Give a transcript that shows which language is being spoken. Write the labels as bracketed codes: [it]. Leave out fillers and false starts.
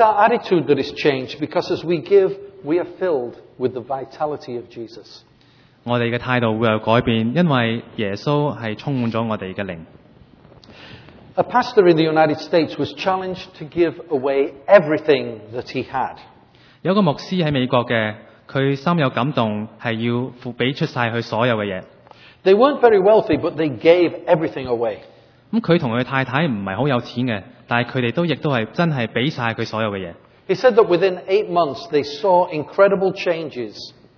[en] our attitude that is changed because as we give, we are filled with the vitality of Jesus. [zh] 我們的態度會有改變,因為耶穌是充滿了我們的靈。 [en] A pastor in the United States was challenged to give away everything that he had. [zh] 有個牧師在美國的,他心有感動,是要付出所有的東西。 [en] They weren't very wealthy, but they gave everything away. [zh] 他和他太太不是很有錢的,但他們也真的給了他所有的東西。 [en] He said that within 8 months, they saw incredible changes.